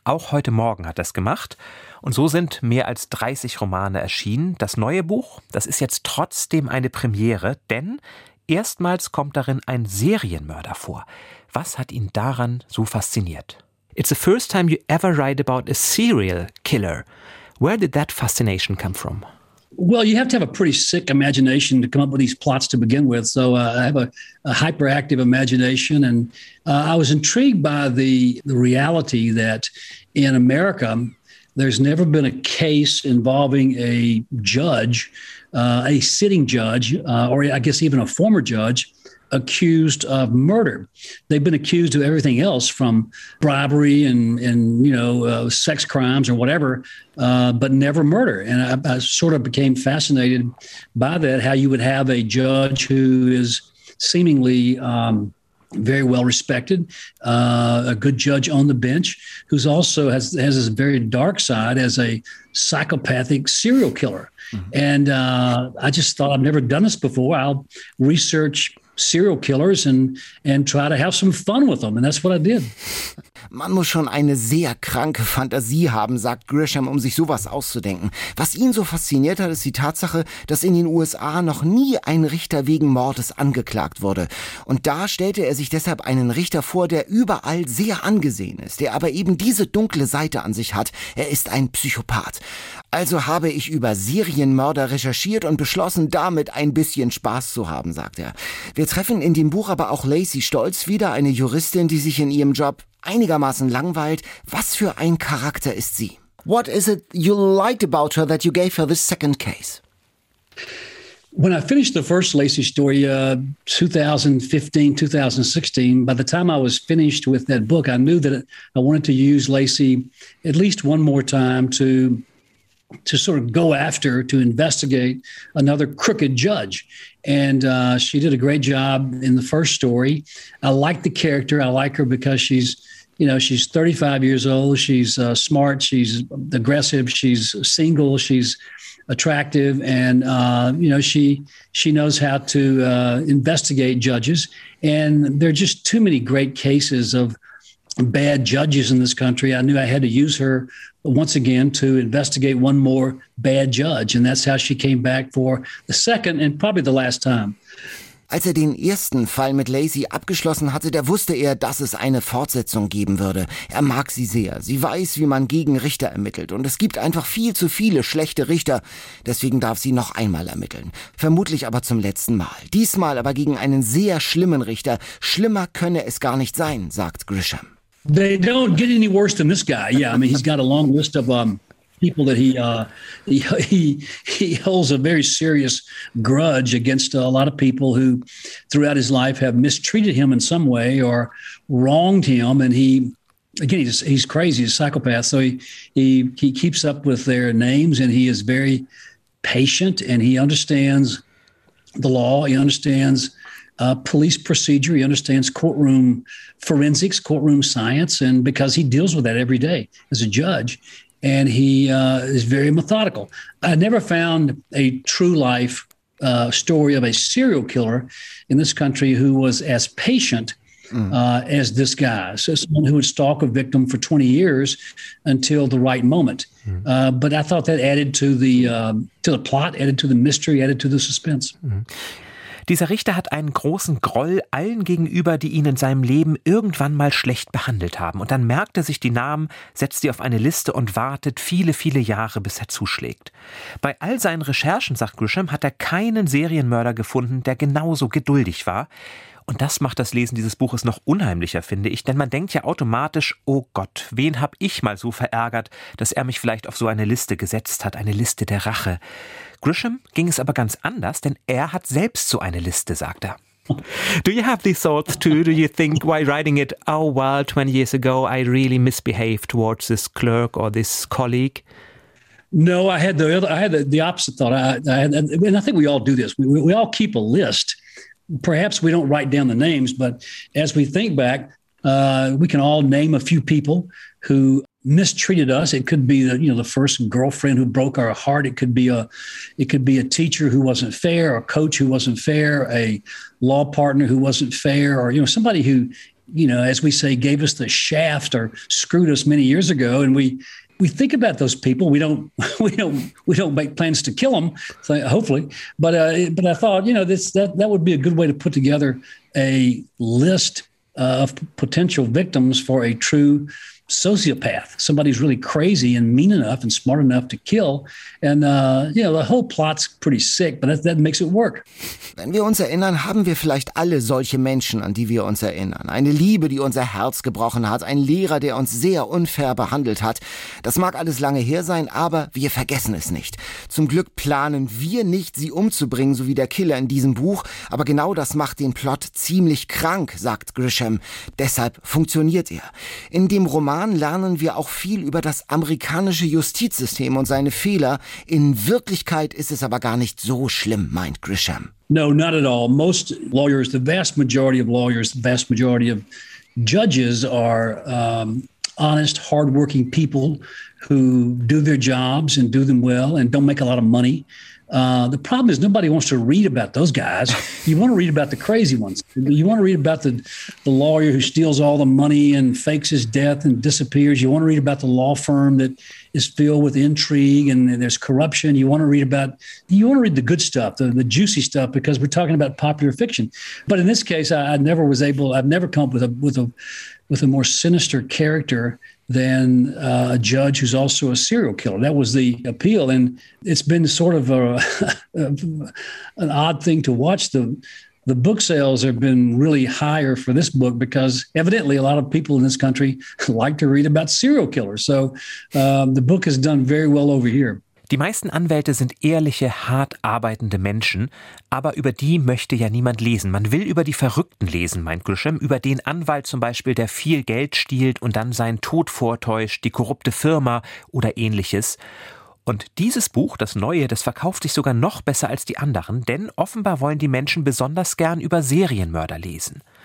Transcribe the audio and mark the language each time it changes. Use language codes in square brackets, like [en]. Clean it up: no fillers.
[de] Auch heute Morgen hat er es gemacht. Und so sind mehr als 30 Romane erschienen. Das neue Buch, das ist jetzt trotzdem eine Premiere, denn erstmals kommt darin ein Serienmörder vor. Was hat ihn daran so fasziniert? [en] It's the first time you ever write about a serial killer. Where did that fascination come from? Well, you have to have a pretty sick imagination to come up with these plots to begin with. So I have a hyperactive imagination. And I was intrigued by the reality that in America, there's never been a case involving a judge, a sitting judge, or I guess even a former judge, accused of murder. They've been accused of everything else, from bribery and you know, sex crimes or whatever, but never murder. And I sort of became fascinated by that, how you would have a judge who is seemingly very well respected, a good judge on the bench, who's also has this very dark side as a psychopathic serial killer. Mm-hmm. And I just thought, I've never done this before. I'll research serial killers and try to have some fun with them. And that's what I did. [de] Man muss schon eine sehr kranke Fantasie haben, sagt Grisham, um sich sowas auszudenken. Was ihn so fasziniert hat, ist die Tatsache, dass in den USA noch nie ein Richter wegen Mordes angeklagt wurde. Und da stellte er sich deshalb einen Richter vor, der überall sehr angesehen ist, der aber eben diese dunkle Seite an sich hat. Er ist ein Psychopath. Also habe ich über Serienmörder recherchiert und beschlossen, damit ein bisschen Spaß zu haben, sagt er. Wir treffen in dem Buch aber auch Lacey Stolz wieder, eine Juristin, die sich in ihrem Job einigermaßen langweilt. Was für ein Charakter ist sie? [en] What is it you liked about her that you gave her this second case? When I finished the first Lacey story, 2015, 2016, by the time I was finished with that book, I knew that I wanted to use Lacey at least one more time to sort of go after, to investigate another crooked judge. And she did a great job in the first story. I like the character. I like her because she's you know, she's 35 years old. She's smart. She's aggressive. She's single. She's attractive. And, you know, she knows how to investigate judges. And there are just too many great cases of bad judges in this country. I knew I had to use her once again to investigate one more bad judge. And that's how she came back for the second and probably the last time. [de] Als er den ersten Fall mit Lacey abgeschlossen hatte, da wusste er, dass es eine Fortsetzung geben würde. Er mag sie sehr. Sie weiß, wie man gegen Richter ermittelt. Und es gibt einfach viel zu viele schlechte Richter. Deswegen darf sie noch einmal ermitteln. Vermutlich aber zum letzten Mal. Diesmal aber gegen einen sehr schlimmen Richter. Schlimmer könne es gar nicht sein, sagt Grisham. [en] They don't get any worse than this guy. Yeah, I mean, he's got a long list of people that he holds a very serious grudge against a lot of people who throughout his life have mistreated him in some way or wronged him. And he, again, he's crazy, he's a psychopath. So he keeps up with their names, and he is very patient, and he understands the law. He understands police procedure. He understands courtroom forensics, courtroom science. And because he deals with that every day as a judge, and he is very methodical. I never found a true life story of a serial killer in this country who was as patient as this guy. So someone who would stalk a victim for 20 years until the right moment. Mm. But I thought that added to the plot, added to the mystery, added to the suspense. Mm. [de] Dieser Richter hat einen großen Groll allen gegenüber, die ihn in seinem Leben irgendwann mal schlecht behandelt haben. Und dann merkt er sich die Namen, setzt sie auf eine Liste und wartet viele, viele Jahre, bis er zuschlägt. Bei all seinen Recherchen, sagt Grisham, hat er keinen Serienmörder gefunden, der genauso geduldig war. Und das macht das Lesen dieses Buches noch unheimlicher, finde ich. Denn man denkt ja automatisch, oh Gott, wen habe ich mal so verärgert, dass er mich vielleicht auf so eine Liste gesetzt hat, eine Liste der Rache. Grisham ging es aber ganz anders, denn er hat selbst so eine Liste, sagt er. [en] Do you have these thoughts too? Do you think while writing it, oh well, 20 years ago I really misbehaved towards this clerk or this colleague? No, I had the opposite thought. I think we all do this. We all keep a list. Perhaps we don't write down the names, but as we think back, we can all name a few people who mistreated us. It could be the first girlfriend who broke our heart. It could be a teacher who wasn't fair, a coach who wasn't fair, a law partner who wasn't fair, or somebody who, as we say, gave us the shaft or screwed us many years ago. And we think about those people. We don't make plans to kill them, hopefully. But I thought, that would be a good way to put together a list of potential victims for a true sociopath, somebody who's really crazy and mean enough and smart enough to kill. And the whole plot's pretty sick, but that makes it work. [de] Wenn wir uns erinnern, haben wir vielleicht alle solche Menschen, an die wir uns erinnern. Eine Liebe, die unser Herz gebrochen hat, ein Lehrer, der uns sehr unfair behandelt hat. Das mag alles lange her sein, aber wir vergessen es nicht. Zum Glück planen wir nicht, sie umzubringen, so wie der Killer in diesem Buch. Aber genau das macht den Plot ziemlich krank, sagt Grisham. Deshalb funktioniert er. In dem Roman lernen wir auch viel über das amerikanische Justizsystem und seine Fehler. In Wirklichkeit ist es aber gar nicht so schlimm, meint Grisham. [en] No, not at all. Most lawyers, the vast majority of lawyers, the vast majority of judges are honest, hardworking people who do their jobs and do them well and don't make a lot of money. The problem is nobody wants to read about those guys. You want to read about the crazy ones. You want to read about the lawyer who steals all the money and fakes his death and disappears. You want to read about the law firm that is filled with intrigue and there's corruption. You want to read the good stuff, the juicy stuff, because we're talking about popular fiction. But in this case, I've never come up with a more sinister character than a judge who's also a serial killer. That was the appeal. And it's been sort of an odd thing to watch. The book sales have been really higher for this book because evidently a lot of people in this country like to read about serial killers. So the book has done very well over here. [de] Die meisten Anwälte sind ehrliche, hart arbeitende Menschen, aber über die möchte ja niemand lesen. Man will über die Verrückten lesen, meint Grisham, über den Anwalt zum Beispiel, der viel Geld stiehlt und dann seinen Tod vortäuscht, die korrupte Firma oder ähnliches. Und dieses Buch, das neue, das verkauft sich sogar noch besser als die anderen, denn offenbar wollen die Menschen besonders gern über Serienmörder lesen.